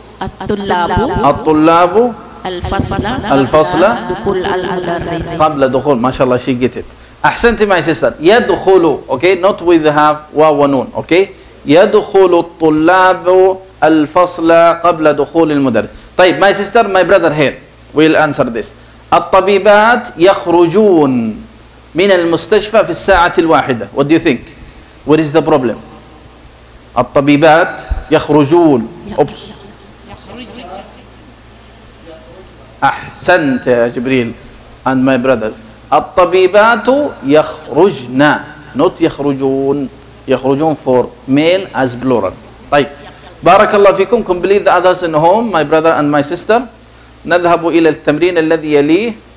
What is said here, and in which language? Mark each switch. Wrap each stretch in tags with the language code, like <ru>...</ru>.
<ar>الطلاب الفصل دخول المدرس قبل دخول. ما شاء الله,</ar> <en>she get it.</en> <ar>أحسنتي</ar> <en>my sister.</en> <ar>يدخل,</ar> <en>okay, not with have</en> <ar>واو ونون,</ar> <en>okay.</en> <ar>يدخل الطلاب الفصل قبل دخول المدرس. طيب</ar> <en>my sister, my brother here will answer this.</en> <ar>الطبيبات يخرجون من المستشفى في الساعة الواحدة.</ar> <en>What do you think? What is the problem?</en> <ar>الطبيبات يخرجون.</ar> <en>Oops.</en> <ar>أحسنت يا جبريل</ar> <en>and my brothers.</en> <ar>الطبيبات يخرجن. Not يخرجون. يخرجون</ar> <en>for male as plural.</en> <ar>طيب. بارك الله فيكم.</ar> <en>Complete the others in home, my brother and my sister.</en> <ar>نذهب إلى التمرين الذي يليه.</ar>